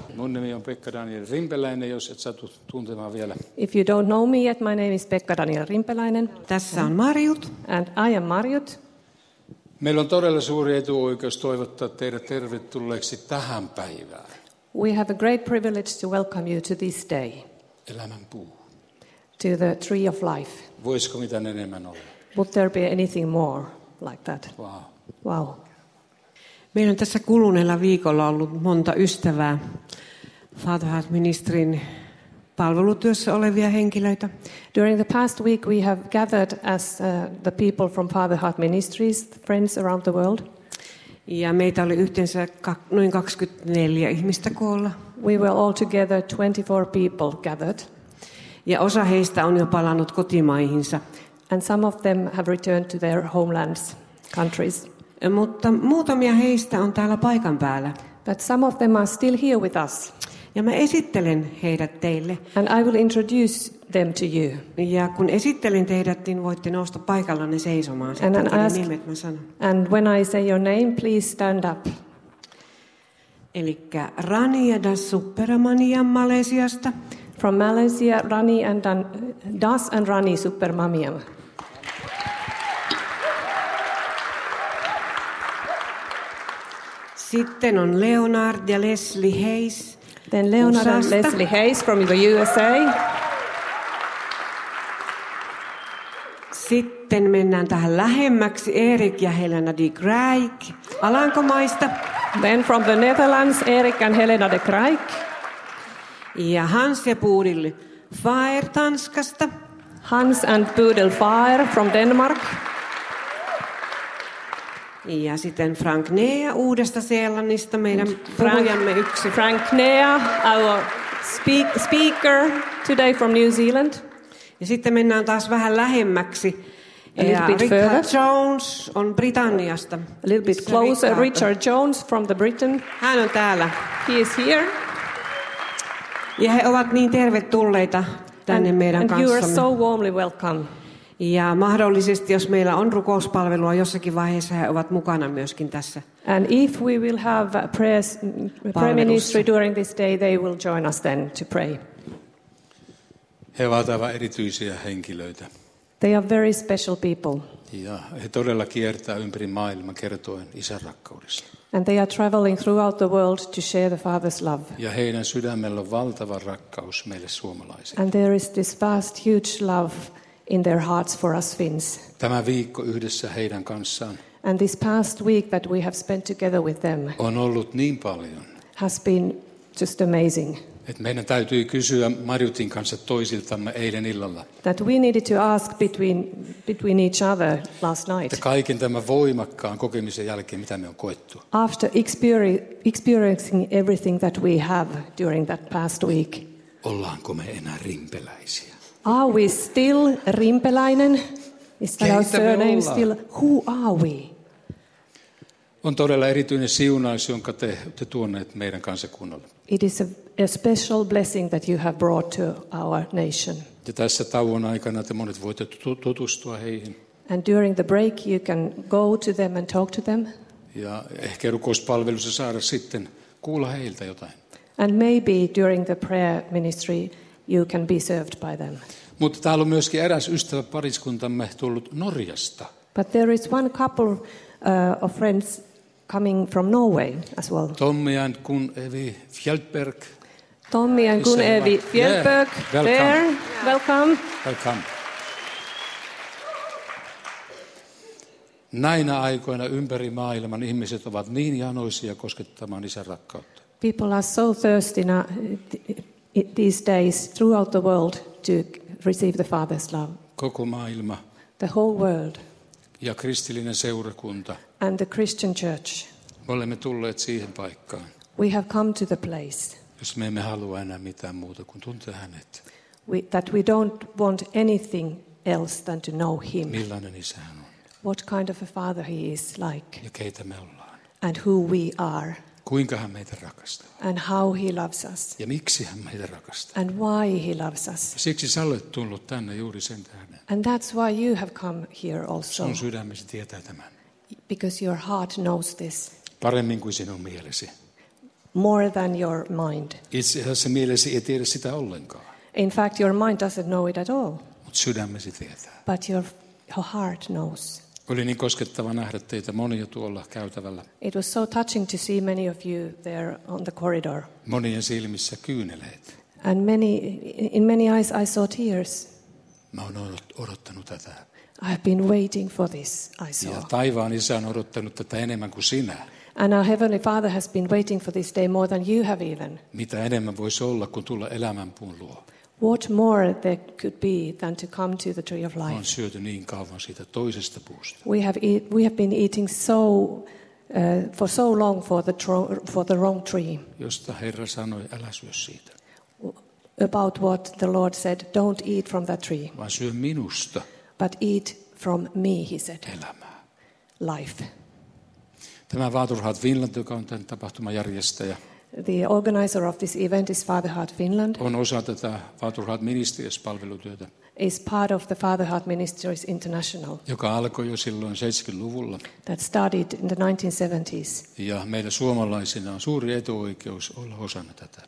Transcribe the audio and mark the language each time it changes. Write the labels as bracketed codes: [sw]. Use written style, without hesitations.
[fi] Mun nimi on Pekka Daniel Rimpeläinen, jos et satu tuntemaan vielä. [en] If you don't know me yet, my name is Pekka Daniel Rimpeläinen. [fi] Tässä on Marjut. [en] And I am Marjut. [fi] Meillä on todella suuri etuoikeus toivottaa teidät tervetulleeksi tähän päivään. [en] We have a great privilege to welcome you to this day. [fi] Elämän puu. [en] To the tree of life. [fi] Voisiko mitään enemmän olla? [en] Would there be anything more like that? [fi] Wow. [en] Wow. [fi] Meillä on tässä kuluneella viikolla ollut monta ystävää, Fatherhood-ministerin palvelutyössä olevia henkilöitä. [en] During the past week we have gathered as the people from Fatherhood Ministries, friends around the world. [fi] Ja meitä oli yhteensä noin 24 ihmistä koolla. [en] We were all together 24 people gathered. [fi] Ja osa heistä on jo palannut kotimaihinsa. [en] And some of them have returned to their homelands, countries. [fi] Mutta muutamia heistä on täällä paikan päällä. [en] But some of them are still here with us. [fi] Ja mä esittelen heidät teille. [en] And I will introduce them to you. [fi] Ja kun esittelin teidät, niin voitte nousta paikallanne seisomaan. [en] And when I say your name, please stand up. [fi] Elikkä Rani ja Das Supermamiyam Malesiasta. [en] From Malaysia, Rani and Das and Rani Supermamiyam. [fi] Sitten on Leonard ja Leslie Hayes. [en] Then Leonard and Leslie Hayes from the USA. [fi] Sitten mennään tähän lähemmäksi Erik ja Helena de Kraik Alankomaista. [en] Then from the Netherlands Erik and Helena de Kraik. [fi] Ja Hans ja Bodil Fire Tanskasta. [en] Hans and Bodil Fire from Denmark. [fi] Ja sitten Frank Nea Uudesta-Seelannista, meidän puhujamme yksi. [en] Frank Nea, our speaker today from New Zealand. [fi] Ja sitten mennään taas vähän lähemmäksi. [en] A little bit Richard further. [fi] Jones on Britanniasta. [en] A little bit closer, Richard Jones from the Britain. [fi] Hän on täällä. [en] He is here. [fi] Ja he ovat niin tervetulleita tänne [en] and, [fi] meidän kanssamme. [en] And kanssamme. You are so warmly welcome. [fi] Ja mahdollisesti, jos meillä on rukouspalvelua jossakin vaiheessa, he ovat mukana myöskin tässä. [en] And if we will have prayers, prayer ministry during this day, they will join us then to pray. [fi] He ovat aivan erityisiä henkilöitä. [en] They are very special people. [fi] Ja he todella kiertää ympäri maailman kertoen isän rakkaudesta. [en] And they are traveling throughout the world to share the Father's love. [fi] Ja heidän sydämellä on valtava rakkaus meille suomalaisille. [en] And there is this vast, huge love in their hearts for us Finns. [fi] Tämä viikko yhdessä heidän kanssaan. [en] And this past week that we have spent together with them. [fi] On ollut niin paljon. [en] Has been just amazing. [fi] Et meidän täytyy kysyä Marjutin kanssa toisiltamme eilen illalla. [en] That we needed to ask between each other last night. [fi] Että kaiken tämän voimakkaan kokemisen jälkeen mitä me on koettu. [en] After experiencing everything that we have during that past week. [fi] Ollaanko me enää rimpeläisiä? [en] Are we still Rimpeläinen? Is that our surname still? Who are we? [fi] On todella erityinen siunaus, jonka te olette tuoneet meidän kansakunnalle. [en] It is a special blessing that you have brought to our nation. [fi] Ja tässä tauon aikana te monet voitte tutustua heihin. [en] And during the break you can go to them and talk to them. [fi] Ja ehkä rukouspalvelussa saada sitten kuulla heiltä jotain. [en] And maybe during the prayer ministry you can be served by them. [fi] Mutta täällä on myöskin eräs ystävä pariskuntamme tullut Norjasta. [en] But there is one couple of friends coming from Norway as well. Tommy and Gun Evi Fjeldberg. Tommy and Gun Evi Fjeldberg. Yeah. There. Welcome. Yeah. Welcome. Welcome. [fi] Näinä aikoina ympäri maailman ihmiset ovat niin janoisia koskettamaan isän rakkautta. [en] People are so thirsty now. These days, throughout the world, to receive the Father's love. [fi] Koko maailma. [en] The whole world. [fi] Ja kristillinen seurakunta. [en] And the Christian church. [fi] Me olemme tulleet siihen paikkaan. [en] We have come to the place. [fi] Jos me emme halua enää mitään muuta kuin tuntea hänet. [en] That we don't want anything else than to know him. [fi] Millainen isä hän on. [en] What kind of a father he is like. [fi] Ja keitä me ollaan. [en] And who we are. [fi] Kuinka hän meitä rakastaa? [en] And how he loves us. [fi] Ja miksi hän meitä rakastaa? [en] And why he loves us. [fi] Siksi sä olet tullut tänne juuri sen tähden. [en] And that's why you have come here also. [fi] Sun sydämesi tietää tämän. [en] Because your heart knows this. [fi] Paremmin kuin sinun mielesi. [en] more than your mind. [fi] Itse asiassa mielesi ei tiedä sitä ollenkaan. [en] In fact, your mind doesn't know it at all. [fi] Mut sydämesi tietää. [en] But your heart knows. [fi] Oli niin koskettava nähdä teitä monia tuolla käytävällä. [en] It was so touching to see many of you there on the corridor. [fi] Monien silmissä kyyneleet. [en] And many, in many eyes I saw tears. [fi] Mä oon odottanut tätä. [en] I have been waiting for this, I saw. [fi] Ja taivaan isä on odottanut tätä enemmän kuin sinä. [en] And our heavenly Father has been waiting for this day more than you have even. [fi] Mitä enemmän voisi olla kuin tulla elämänpuun luo? [en] What more there could be than to come to the tree of life? [fi] On syöty niin kauan siitä toisesta puusta. [en] We have been eating so for so long for the wrong tree. [fi] Josta Herra sanoi, älä syö siitä. [en] About what the Lord said, don't eat from that tree. [fi] Vaan syö minusta. [en] But eat from me, he said. [fi] Elämää. [en] Life. [fi] Tämä Vaturhat Finland, joka on tämän tapahtuman järjestäjä. [en] The organizer of this event is Fatherheart Finland. [fi] On osa tätä Fatherheart Ministries -palvelutyötä. [en] Is part of the Fatherheart Ministries International. [fi] Joka alkoi jo silloin 70-luvulla. [en] That started in the 1970s. [fi] Ja meillä suomalaisina on suuri etuoikeus olla osana tätä.